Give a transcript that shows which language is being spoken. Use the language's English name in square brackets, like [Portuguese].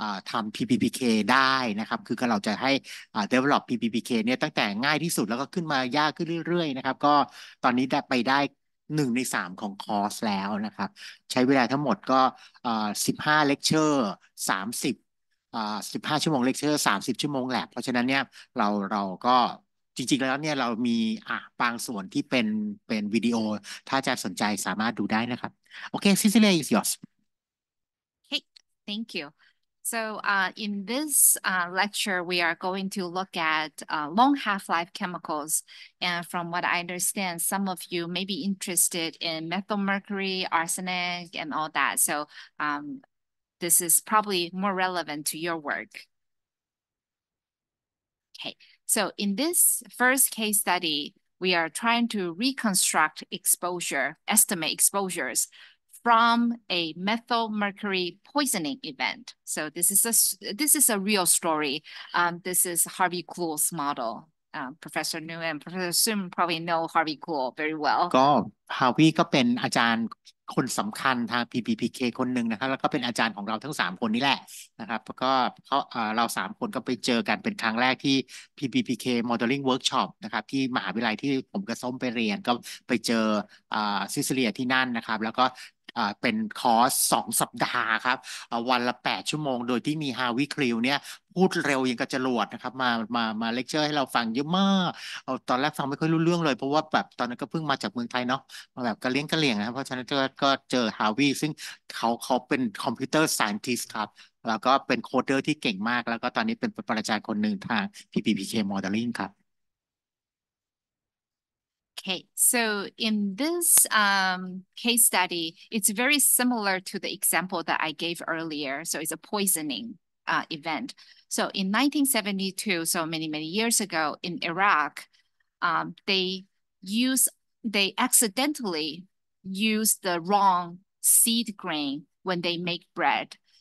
[Thai] ทำ PBPK ได้นะครับคือเราจะให้ develop PBPK เนี่ยตั้งแต่ง่ายที่สุดแล้วก็ขึ้นมายากขึ้นเรื่อยๆนะครับก็ตอนนี้ได้ไปได้1ใน3ของคอร์สแล้วนะครับใช้เวลาทั้งหมดก็15เลคเชอร์ 3015ชั่วโมงเลคเชอร์30ชั่วโมงแหละเพราะฉะนั้นเนี่ยเราก็จริงๆแล้วเนี่ยเรามีบางส่วนที่เป็นวิดีโอถ้าจะสนใจสามารถดูได้นะครับโอเค [English] Cecilia is yours Hey thank youSo in this lecture, we are going to look at long half-life chemicals. And from what I understand, some of you may be interested in methylmercury, arsenic, and all that. So this is probably more relevant to your work. Okay, so in this first case study, we are trying to reconstruct estimate exposures. From a methylmercury poisoning event. So this is a real story. This is Harvey Kuhl's model. Professor Nguyen and Professor Sum probably know Harvey Kuhl very well. [Thai] ก็ Harvey ก็เป็นอาจารย์คนสำคัญทาง PBPK คนหนึ่งนะครับแล้วก็เป็นอาจารย์ของเราทั้ง3คนนี่แหละนะครับแล้วก็เรา3คนก็ไปเจอกันเป็นครั้งแรกที่ PBPK Modeling Workshop นะครับที่มหาวิทยาลัยที่ผมกับส้มไปเรียนก็ไปเจอ ซิซิเลียที่นั่นนะครับแล้วก็เป็นคอร์ส2สัปดาห์ครับวันละ8ชั่วโมงโดยที่มีฮาวิคลิวเนี่ยพูดเร็วยังกับจรวดนะครับมาเลคเชอร์ให้เราฟังเยอะมากเอาตอนแรกฟังไม่ค่อยรู้เรื่องเลยเพราะว่าแบบตอนนั้นก็เพิ่งมาจากเมืองไทยเนาะมาแบบกระเลี้ยงกระเลี่ยงนะเพราะฉะนั้นก็เจอฮาวิซึ่งเขาเป็นคอมพิวเตอร์ไซเอนทิสต์ครับแล้วก็เป็นโคเดอร์ที่เก่งมากแล้วก็ตอนนี้เป็นประจานคนหนึ่งทาง PBPK Modeling ครับ [English] Okay, so in this case study, it's very similar to the example that I gave earlier. So it's a poisoning event. So in 1972, so many, many years ago in Iraq, they accidentally used the wrong seed grain when they make bread.